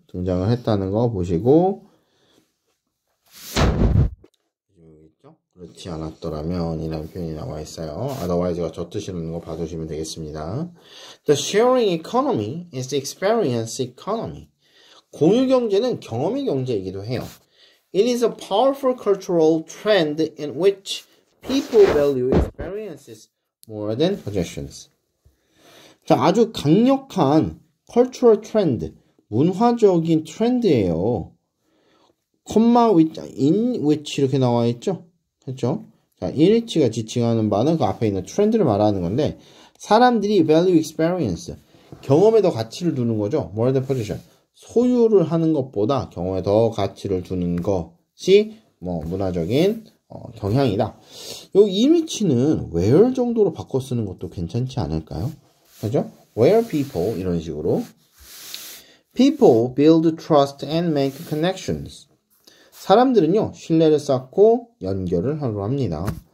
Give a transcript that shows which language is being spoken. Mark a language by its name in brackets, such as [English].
[Korean] 등장을 했다는 거 보시고 그렇지 않았더라면이라는 표현이 나와 있어요. Otherwise가 저 뜻이라는 거 봐주시면 되겠습니다. [English] The sharing economy is the experience economy. [Korean] 공유 경제는 경험의 경제이기도 해요. [English] It is a powerful cultural trend in which people value experiences more than possessions. [Korean] 자, 아주 강력한 [English] cultural trend, [Korean] 문화적인 트렌드예요. [English] Comma with, in which [Korean] 이렇게 나와 있죠? 그렇죠? 자, 이니치가 지칭하는 바는 그 앞에 있는 트렌드를 말하는 건데 사람들이 [English] value experience [Korean] 경험에 더 가치를 두는 거죠. [English] More than possession [Korean] 소유를 하는 것보다 경험에 더 가치를 두는 것이 뭐 문화적인 경향이다. 요 이니치는 where 정도로 바꿔 쓰는 것도 괜찮지 않을까요? 그렇죠? [English] Where people [Korean] 이런 식으로 [English] people build trust and make connections. [Korean] 사람들은요, 신뢰를 쌓고 연결을 하려 합니다.